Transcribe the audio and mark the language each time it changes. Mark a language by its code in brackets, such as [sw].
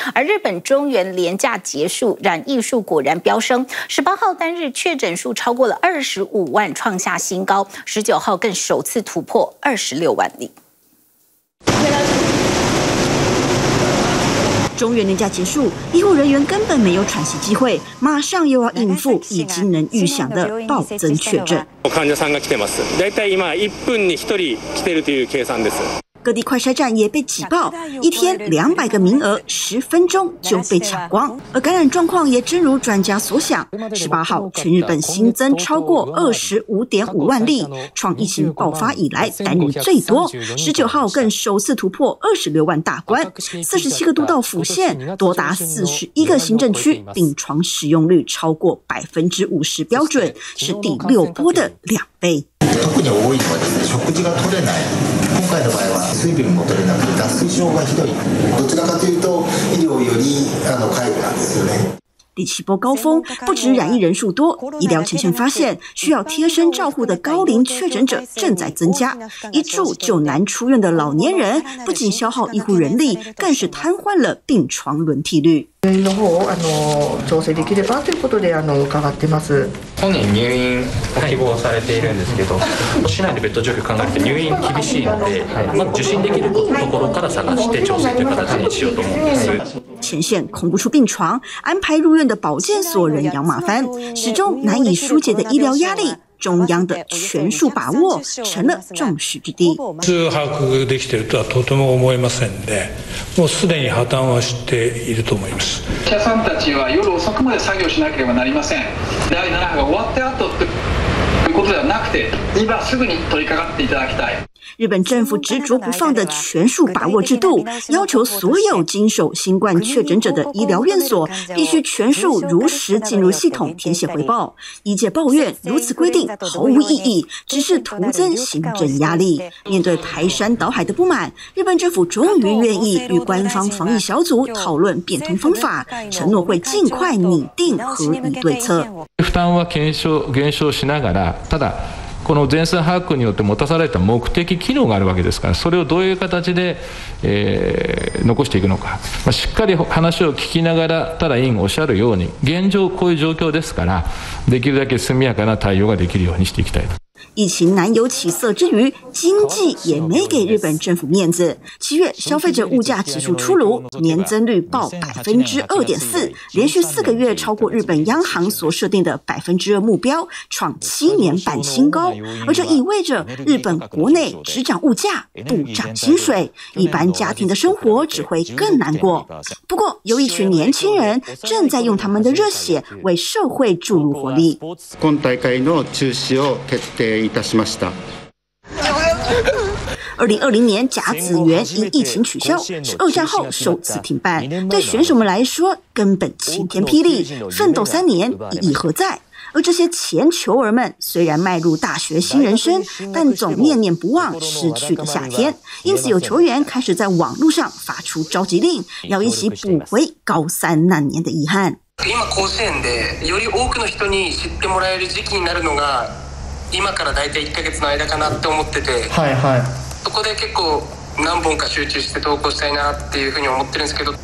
[zh] 而日本中元连假结束，染疫数果然飙升，18号单日确诊数超过了25万，创下新高，19号更首次突破26万例。中元年假结束，医护人员根本没有喘息机会，马上又要应付已经能预想的暴增确诊。 [ja] 患者さんが来てます。大体今一分に一人来てるという計算です。 [zh] 各地快筛站也被挤爆，一天200个名额，10分钟就被抢光。而感染状况也真如专家所想，18号全日本新增超过25.5万例，创疫情爆发以来单日最多。 19号更首次突破26万大关，47个都道府县，多达41个行政区，病床使用率超过50%标准，是第六波的两倍。 [ja] 特に多いのは食事が取れない。今回の場合は水分も取れなくて脱水症がひどい。どちらかというと医療より介護なんですよね。 [zh] 第七波高峰，不止染疫人数多，医疗前线发现需要贴身照护的高龄确诊者正在增加。一住就难出院的老年人，不仅消耗医护人力，更是瘫痪了病床轮替率。 [ja] 入院の方を調整できればということで伺ってます。本人入院を希望されているんですけど、市内でベッド状況を考えて入院厳しいので、受診できるところから探して調整という形にしようと思います。 [zh] 前线空不出病床，安排入院的保健所人仰马翻，始终难以疏解的医疗压力，中央的权术把握成了众矢之的。 [ja] 通把握できているとはとても思えませんで、もうすでに破綻はしていると思います。社さんたちは夜遅くまで作業しなければなりません。第7波が終わった後ってことではなくて、今すぐに取り掛かっていただきたい。 [zh] 日本政府执着不放的全数把握制度，要求所有经手新冠确诊者的医疗院所必须全数如实进入系统填写回报。医界抱怨如此规定毫无意义，只是徒增行政压力。面对排山倒海的不满，日本政府终于愿意与官方防疫小组讨论变通方法，承诺会尽快拟定合理对策。 [ja] 負担は減少しながら、ただこの全数把握によって持たされた目的機能があるわけですから、それをどういう形で残していくのか、しっかり話を聞きながら、ただ委員おっしゃるように、現状こういう状況ですから、できるだけ速やかな対応ができるようにしていきたいと。 [zh] 疫情难有起色之余，经济也没给日本政府面子。七月消费者物价指数出炉，年增率报2.4%，连续四个月超过日本央行所设定的2%目标，创7年版新高。而这意味着日本国内只涨物价不涨薪水，一般家庭的生活只会更难过。不过，有一群年轻人正在用他们的热血为社会注入活力。 [ja] 今大会の中止を決定。 [zh] 2020年甲子园因疫情取消，是二战后首次停办，对选手们来说根本晴天霹雳，奋斗三年意义何在？而这些前球儿们虽然迈入大学新人生，但总念念不忘失去的夏天，因此有球员开始在网络上发出召集令，要一起补回高三那年的遗憾。 [ja] 今甲子园でより多くの人に知ってもらえる時期になるのが今から大体1ヶ月の間かなって思ってて、はいはい、そこで結構何本か集中して投稿したいなっていうふうに思ってるんですけど、